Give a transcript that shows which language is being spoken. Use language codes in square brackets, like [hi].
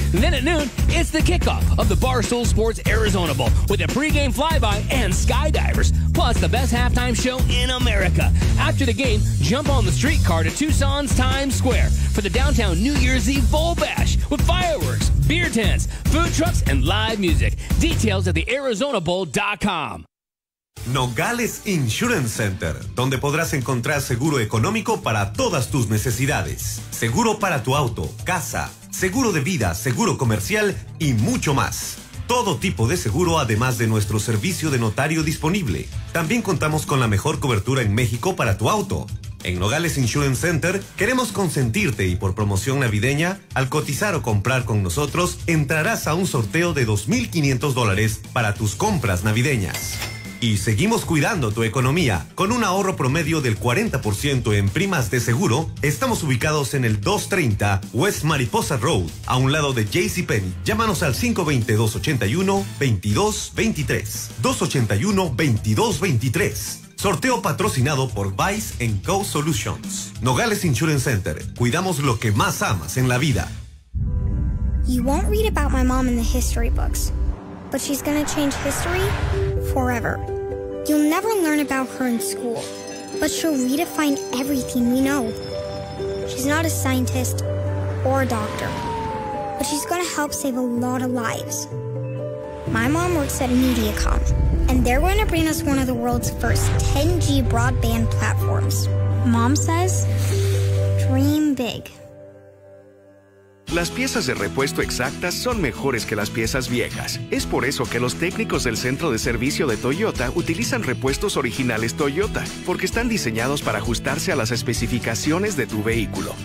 [en] And then at noon, it's the kickoff of the Barstool Sports Arizona Bowl with a pregame flyby and skydivers, plus the best halftime show in America. After the game, jump on the streetcar to Tucson's Times Square for the downtown New Year's Eve Bowl Bash with fireworks, beer tents, food trucks, and live music. Details at thearizonabowl.com. [es] Nogales Insurance Center, donde podrás encontrar seguro económico para todas tus necesidades. Seguro para tu auto, casa, seguro de vida, seguro comercial y mucho más. Todo tipo de seguro, además de nuestro servicio de notario disponible. También contamos con la mejor cobertura en México para tu auto. En Nogales Insurance Center queremos consentirte y por promoción navideña, al cotizar o comprar con nosotros, entrarás a un sorteo de $2,500 para tus compras navideñas. Y seguimos cuidando tu economía. Con un ahorro promedio del 40% en primas de seguro, estamos ubicados en el 230 West Mariposa Road, a un lado de JCPenney. Llámanos al 520-281-2223. 281-2223. Sorteo patrocinado por Vice & Co. Solutions. Nogales Insurance Center. Cuidamos lo que más amas en la vida. [en] You won't read about my mom in the history books, but she's gonna change history forever. You'll never learn about her in school, but she'll redefine everything we know. She's not a scientist or a doctor, but she's gonna help save a lot of lives. My mom works at Mediacom, and they're gonna bring us one of the world's first 10G broadband platforms. Mom says, dream big. [es] Las piezas de repuesto exactas son mejores que las piezas viejas. Es por eso que los técnicos del Centro de Servicio de Toyota utilizan repuestos originales Toyota, porque están diseñados para ajustarse a las especificaciones de tu vehículo.